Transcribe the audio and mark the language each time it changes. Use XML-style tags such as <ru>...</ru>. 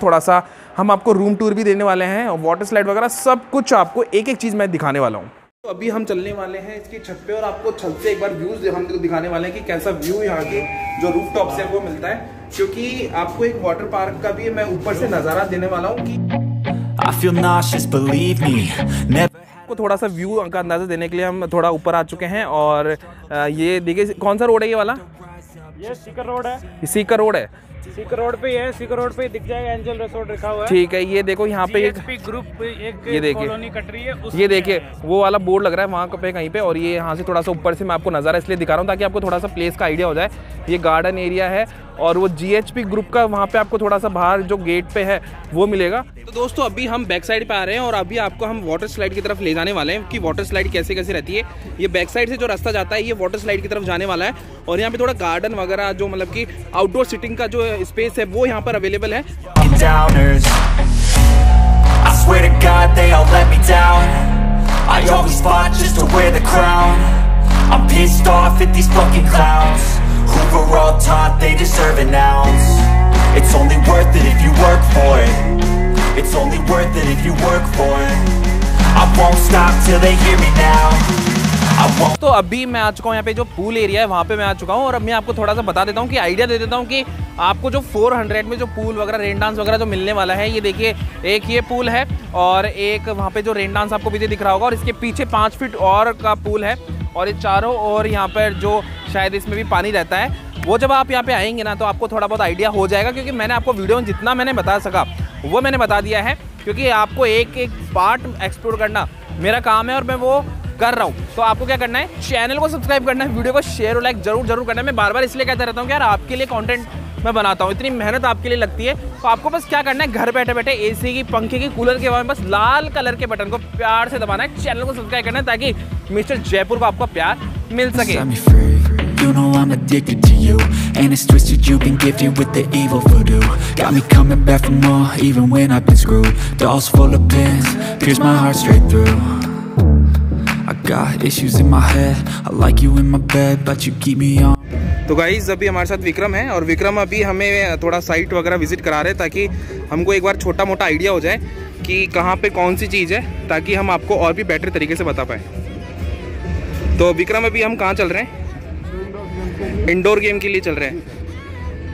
<hi>थोड़ा सा हम आपको रूम टूर भी देने वाले हैं और वाटर स्लाइड वगैरह सब कुछ आपको एक एक चीज़ मैं दिखाने वाला हूँ। तो अभी हम चलने वाले हैं इसकी छत पे और आपको छत से एक बार व्यूज हम दिखाने वाले हैं कि कैसा व्यू यहाँ के जो रूफ टॉप से आपको मिलता है, क्योंकि आपको एक वाटर पार्क का भी मैं ऊपर से नज़ारा देने वाला हूँ कि</hi> <en>I feel nauseous, believe me.</en> <hi>को थोड़ा सा व्यू का अंदाजा देने के लिए हम थोड़ा ऊपर आ चुके हैं। और ये देखिए कौन सा रोड है, ये वाला सीकर रोड है, सीकर रोड है, सीकर रोड पे है, सीकर रोड पे दिख जाएगा एंजल रिसॉर्ट लिखा हुआ है ठीक है। ये देखो यहाँ पे जीएसपी ग्रुप पे एक कॉलोनी कट रही है, ये देखिए वो वाला बोर्ड लग रहा है वहाँ पे कहीं पे। और ये यहाँ से थोड़ा सा ऊपर से मैं आपको नजारा इसलिए दिखा रहा हूँ ताकि आपको थोड़ा सा प्लेस का आइडिया हो जाए। ये गार्डन एरिया है और वो जीएचपी ग्रुप का वहाँ पे आपको थोड़ा सा बाहर जो गेट पे है वो मिलेगा। तो दोस्तों अभी हम बैक साइड पे आ रहे हैं और अभी आपको हम वाटर स्लाइड की तरफ ले जाने वाले हैं कि वाटर स्लाइड कैसे कैसे रहती है। ये बैक साइड से जो रास्ता जाता है ये वाटर स्लाइड की तरफ जाने वाला है और यहाँ पे थोड़ा गार्डन वगैरह जो मतलब कि आउटडोर सिटिंग का जो स्पेस है वो यहाँ पर अवेलेबल है।</hi> <en>It's only worth it if you work for it. I won't stop till they hear me now.</en> <hi>तो अभी मैं आ चुका हूँ यहाँ पे जो पूल एरिया है वहाँ पे मैं आ चुका हूँ, और अब मैं आपको थोड़ा सा बता देता हूँ कि आइडिया दे देता हूँ कि आपको जो 400 में जो पूल वगैरह रेन डांस वगैरह जो मिलने वाला है, ये देखिए एक ये पूल है और एक वहाँ पे जो रेन डांस आपको पीछे दिख रहा होगा, और इसके पीछे 5 फीट और का पूल है, और ये चारों ओर यहाँ पर जो शायद इसमें भी पानी रहता है वो जब आप यहाँ पे आएंगे ना तो आपको थोड़ा बहुत आइडिया हो जाएगा, क्योंकि मैंने आपको वीडियो में जितना मैंने बता सका वो मैंने बता दिया है, क्योंकि आपको एक एक पार्ट एक्सप्लोर करना मेरा काम है और मैं वो कर रहा हूँ। तो आपको क्या करना है, चैनल को सब्सक्राइब करना है, वीडियो को शेयर और लाइक जरूर जरूर करना है। मैं बार बार इसलिए कहता रहता हूँ कि यार आपके लिए कॉन्टेंट मैं बनाता हूँ, इतनी मेहनत आपके लिए लगती है, तो आपको बस क्या करना है, घर बैठे बैठे एसी की पंखे की कूलर के हवा में बस लाल कलर के बटन को प्यार से दबाना है, चैनल को सब्सक्राइब करना है ताकि मिस्टर जयपुर को आपका प्यार मिल सके।</hi> <en>You know I'm addicted to you, and it's twisted you've been gifted with the evil voodoo. Got me coming back for more, even when I've been screwed. Dolls full of pins, pierce my heart straight through. I got issues in my head, I like you in my bed, but you keep me on.</en> <hi>तो guys अभी हमारे साथ विक्रम है, और विक्रम अभी हमें थोड़ा site वगैरह विजिट करा रहे हैं ताकि हमको एक बार छोटा मोटा आइडिया हो जाए कि कहाँ पे कौन सी चीज़ है, ताकि हम आपको और भी बेटर तरीके से बता पाए। तो विक्रम अभी हम कहाँ चल रहे हैं, इंडोर गेम के लिए चल रहे हैं।</hi>